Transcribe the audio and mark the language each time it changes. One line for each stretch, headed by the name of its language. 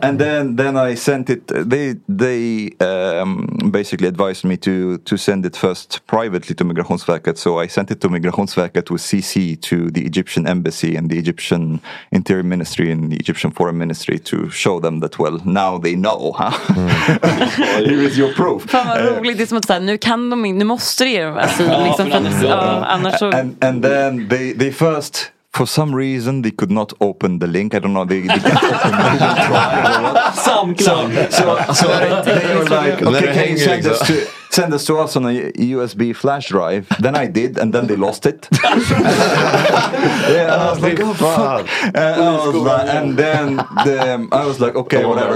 English: And then I sent it, they basically advised me to send it first privately to Migrationsverket, so I sent it to Migrationsverket with CC to the Egyptian embassy and the Egyptian interior ministry and the Egyptian foreign ministry to show them that, well, now they know, huh? Here is your proof.
Swedish: Fan vad roligt, det är som att säga, nu kan de, nu måste de liksom, annars så.
English: And then they first, for some reason, they could not open the link. I don't know, they can't open the link. So they were like, okay, can you send us to... send this to us on a USB flash drive. Then I did, and then they lost it. Yeah, I was like, okay, whatever.